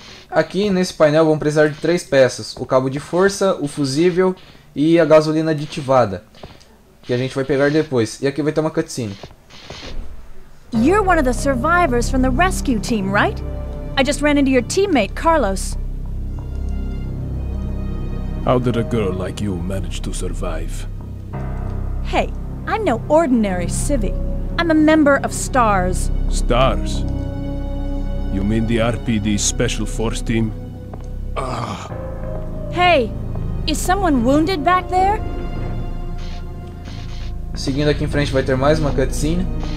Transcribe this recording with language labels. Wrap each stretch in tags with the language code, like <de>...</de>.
<pt>Aqui nesse painel vamos precisar de três peças: o cabo de força, o fusível e a gasolina aditivada, que a gente vai pegar depois. E aqui vai ter uma cutscene.</pt> <en>You're one of the survivors from the rescue team, right? I just ran into your teammate, Carlos. How did a girl like you manage to survive? Hey, I'm no ordinary civvy. I'm a member of STARS. STARS? You mean the RPD Special Force Team? Ugh. Hey, is someone wounded back there?</en> <pt>Seguindo aqui em frente vai ter mais uma cutscene.</pt>